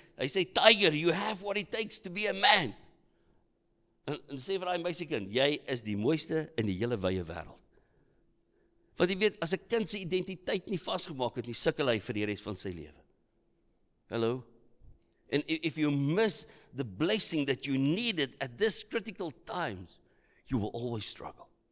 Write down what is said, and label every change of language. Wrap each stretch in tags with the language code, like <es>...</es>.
<af>Hy sê,</af> <en>Tiger, you have what it takes to be a man.</en> <af>En sê vir hy my sy kind, jy is die mooiste in die hele wye wêreld. Want jy weet, as 'n kind se identiteit nie vasgemaak het nie, sukkel hy vir die res van sy lewe.</af> <en>Hello? And if you miss the blessing that you needed at this critical times, you will always struggle.</en>